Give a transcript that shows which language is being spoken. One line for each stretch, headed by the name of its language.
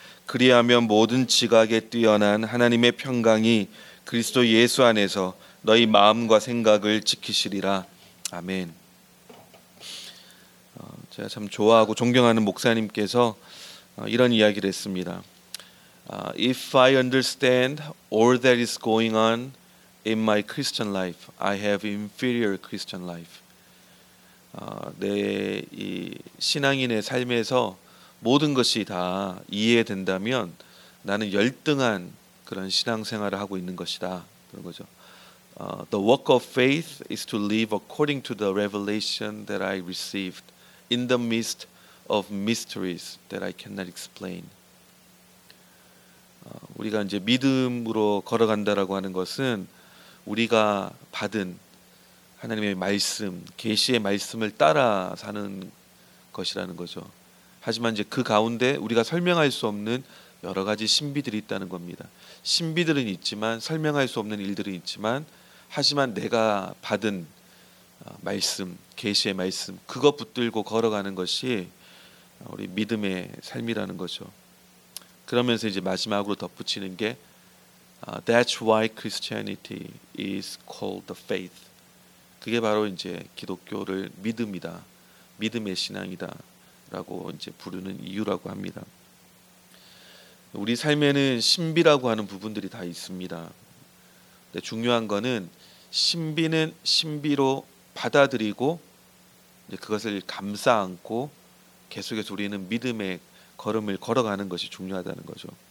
Korean: 그리하면 모든 지각에 뛰어난 하나님의 평강이 그리스도 예수 안에서 너희 마음과 생각을 지키시리라. 아멘. 제가 참 좋아하고 존경하는 목사님께서 이런 이야기를 했습니다.
English: If I understand all that is going on in my Christian life, I have inferior Christian life.
Korean: 내이 신앙인의 삶에서 모든 것이 다 이해된다면 나는 열등한 그런 신앙생활을 하고 있는 것이다. 그런 거죠.
English: The work of faith is to live according to the revelation that I received in the midst of mysteries that I cannot explain.
Korean: 우리가 이제 믿음으로 걸어간다라고 하는 것은 우리가 받은 하나님의 말씀, 계시의 말씀을 따라 사는 것이라는 거죠. 하지만 이제 그 가운데 우리가 설명할 수 없는 여러 가지 신비들이 있다는 겁니다. 신비들은 있지만 설명할 수 없는 일들은 있지만 하지만 내가 받은 말씀, 계시의 말씀 그거 붙들고 걸어가는 것이 우리 믿음의 삶이라는 거죠. 그러면서 이제 마지막으로 덧붙이는 게
English: That's why Christianity is called the faith.
Korean: 그게 바로 이제 기독교를 믿음이다. 믿음의 신앙이다. 라고 이제 부르는 이유라고 합니다. 우리 삶에는 신비라고 하는 부분들이 다 있습니다. 근데 중요한 거는 신비는 신비로 받아들이고 이제 그것을 감싸 안고 계속해서 우리는 믿음의 걸음을 걸어가는 것이 중요하다는 거죠.